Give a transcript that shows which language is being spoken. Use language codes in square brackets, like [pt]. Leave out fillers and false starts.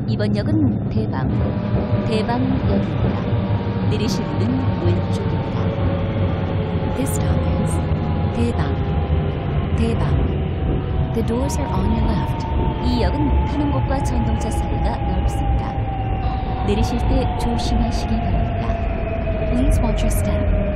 [ko] 전역은 대방, 대방역입니다. 내리실 문은 왼쪽입니다. [en] This stop is 대방, 대방. The doors are on your left. [ko] 이 역은 타는 곳과 전동차 사이가 넓습니다. 내리실 때 조심하시기 바랍니다. [en] Please watch your step.